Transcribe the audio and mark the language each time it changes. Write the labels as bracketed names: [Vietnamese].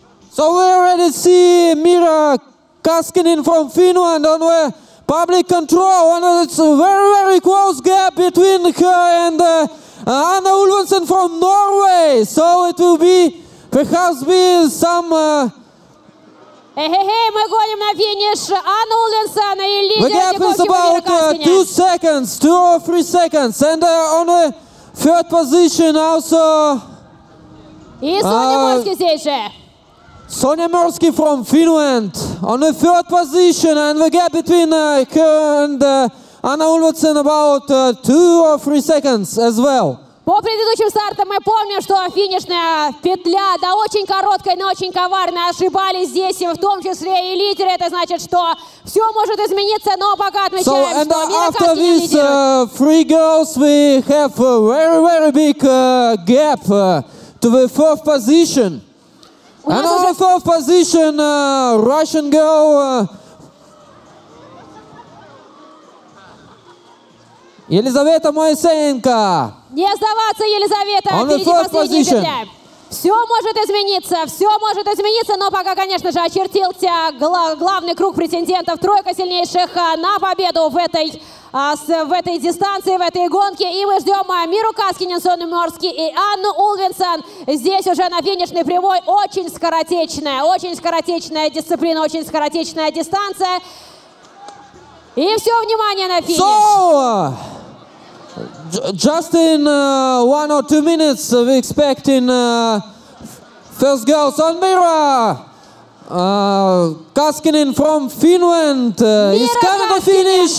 [English] So we already see Mira Kaskinen from Finland on the public control. And it's a very, very close gap between her and Anna Ulvensen from Norway. So it will be, perhaps be some... [Russian] Мы гоним на финиш Анна Ульвенсен и лидер [English] Мира Каскинен. The gap is about two or three seconds. And on the third position also... [Russian] И Соня Морский здесь же. [English] Sonja Morski from Finland on the third position, and the gap between her and Anna Ulvensen about 2 or 3 seconds as well. [Russian] По предыдущим стартам мы помним, что финишная петля, да, очень короткая, но очень коварная. Ошибались здесь, в том числе и лидеры. Это значит, что все может измениться, но пока отмечаем, что Мира Каскинен лидирует. [English] After these three girls, we have a very, very big gap to the fourth position. And on the fourth position, Russian girl. [Russian] Елизавета Моисеенко. Не сдаваться, Елизавета, впереди последняя петля. Все может измениться, но пока, конечно же, очертился главный круг претендентов. Тройка сильнейших на победу в этой дистанции, в этой гонке. И мы ждем Миру Каскинен, Сонну Морски и Анну Ульвенсен. Здесь уже на финишной прямой очень скоротечная дисциплина, очень скоротечная дистанция. И все внимание на финиш. [English] So, just in one or two minutes we expect in first girls on Mira. Kaskinen from Finland is coming to finish,